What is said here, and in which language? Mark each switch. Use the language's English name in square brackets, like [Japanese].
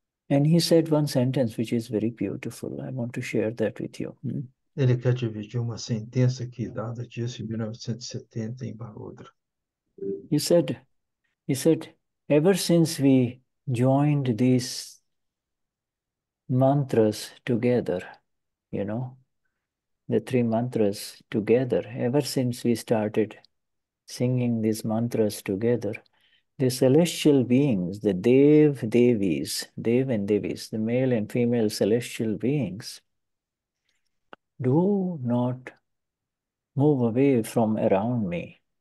[English] And he said one sentence which is very beautiful. I want to share that with you. [Portuguese] Ele quer dividir uma sentença que Dada disse em 1970 em Baroda. [English] He said, ever since we joined these mantras together, the three mantras together, ever since we started singing these mantras together, the celestial beings, the Dev Devis, Dev and Devis, the male and female celestial beings, do not move away from around me.